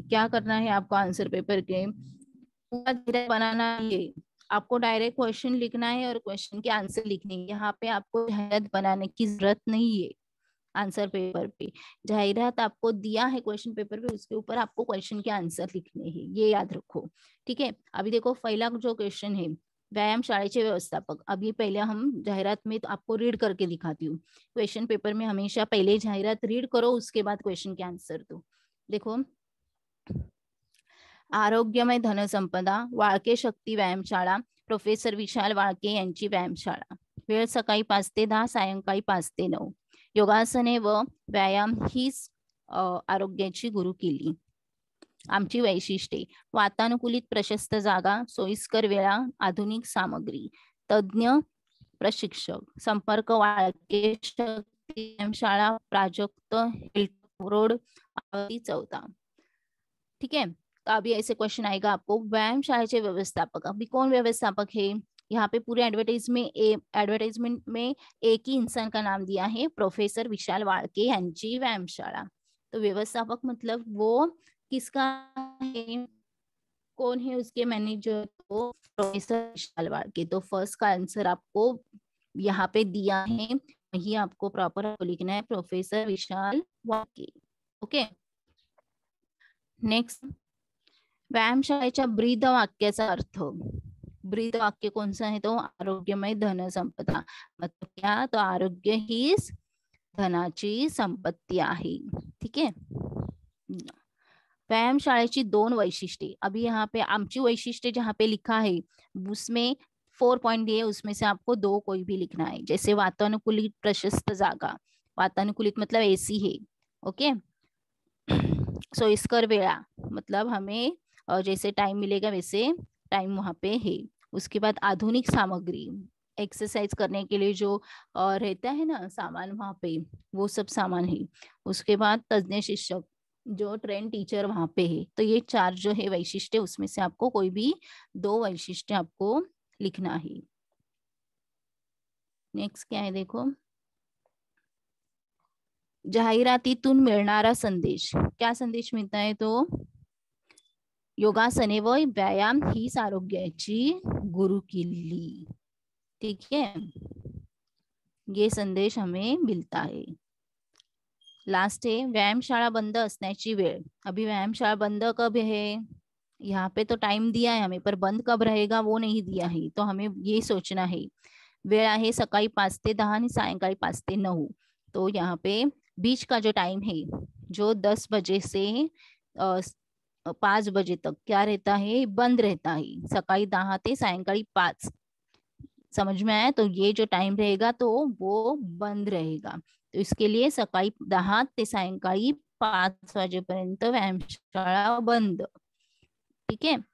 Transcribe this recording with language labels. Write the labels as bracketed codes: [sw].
[hi] क्या करना है आपको आंसर पेपर के बनाना है, आपको डायरेक्ट क्वेश्चन लिखना है और क्वेश्चन के आंसर लिखने है, यहाँ पे आपको जाहिरात बनाने की जरूरत नहीं है आंसर पेपर पे, जाहिरात आपको दिया है क्वेश्चन पेपर पे, उसके ऊपर आपको क्वेश्चन के आंसर लिखने है, ये याद रखो, ठीक है। अभी देखो पहला जो क्वेश्चन है [mr] व्यायाम शाळेचे व्यवस्थापक, [hi] अभी पहले हम जाहिरात में तो आपको रीड करके दिखाती हूँ, क्वेश्चन पेपर में हमेशा पहले जाहिरात रीड करो उसके बाद क्वेश्चन के आंसर दो। [mr] देखो, आरोग्यमय धन संपदा वाळके शक्ती व्यायाम शाळा, प्रोफेसर विशाल वाळके यांची व्यायाम शाळा, वेळ सकाळी 5 ते 10, सायंकाळी 5 ते 9, योगासने व व्यायाम हीच आरोग्याची गुरु केली, आमची वैशिष्ट्ये, वातानुकूलित प्रशस्त जागा, सोयीस्कर वेळा, आधुनिक सामग्री, तज्ञ प्रशिक्षक, संपर्क वाळके शक्ती व्यायाम शाळा, प्राजक्त रोड, 14, [hi] ठीक है। अभी ऐसे क्वेश्चन आएगा आपको, [mr] व्यायाम शाळेचे व्यवस्थापक, [hi] अभी कौन व्यवस्थापक है, यहाँ पे पूरे एडवर्टाइजमेंट में एक ही इंसान का नाम दिया है, [mr] प्रोफेसर विशाल वाळके यांची व्यायाम शाळा, [hi] तो व्यवस्थापक मतलब वो किसका है, कौन है उसके मैनेजर, तो प्रोफेसर विशाल वाळके, तो फर्स्ट का आंसर आपको यहाँ पे दिया है, वही आपको प्रॉपर लिखना है, प्रोफेसर विशाल वाळके। ओके, नेक्स्ट, [mr] व्यायाम शाळेच्या ब्रीद वाक्याचा अर्थ, [hi] ब्रीद वाक्य कौन सा है, तो आरोग्यमय धन संपदा, मतलब क्या, [mr] तो आरोग्य ही धनाची संपत्ती आहे, [hi] ठीक है। [mr] व्यायाम शाळेची दोन वैशिष्ट्ये, [hi] अभी यहाँ पे आमची वैशिष्ट्ये जहाँ पे लिखा है उसमें 4 पॉइंट दिए, उसमें से आपको दो कोई भी लिखना है, जैसे वातानुकूलित प्रशस्त जागा, वातानुकूलित मतलब एसी है, ओके, [mr] सोयीस्कर वेळा [hi] मतलब हमें और जैसे टाइम मिलेगा वैसे टाइम वहां पे है। उसके बाद आधुनिक सामग्री, एक्सरसाइज करने के लिए जो रहता है ना सामान वहां पे, वो सब सामान है। उसके बाद तज्ञ शिक्षक, जो ट्रेन टीचर वहां पे है। तो ये चार जो है वैशिष्ट्य, उसमें से आपको कोई भी दो वैशिष्ट्य आपको लिखना है। नेक्स्ट क्या है देखो, [mr] जाहिरातीतून मिळणारा संदेश, [hi] क्या संदेश मिलता है? तो [mr] योगासने व व्यायाम हीच आरोग्याची गुरु किल्ली, [hi] ठीक है, ये संदेश हमें मिलता है। लास्ट है [mr] व्यायाम शाळा बंद असण्याची वेळ। [hi] अभी व्यायाम शाळा बंद कब है? यहाँ पे तो टाइम दिया है हमें, पर बंद कब रहेगा वो नहीं दिया है, तो हमें ये सोचना है। [mr] वेळ आहे सकाळी 5 ते 10 नि सायंकाळी 5 ते 9। [hi] तो यहाँ पे बीच का जो टाइम है, जो 10 बजे से 5 बजे तक क्या रहता है? बंद रहता है, [mr] सकाळी 10 ते सायंकाळी 5, [hi] समझ में आया? तो ये जो टाइम रहेगा तो वो बंद रहेगा। तो इसके लिए [mr] सकाळी 10 ते सायंकाळी 5 [hi] बजे [mr] पर्यंत व्यायामशाळा बंद, [hi] ठीक है।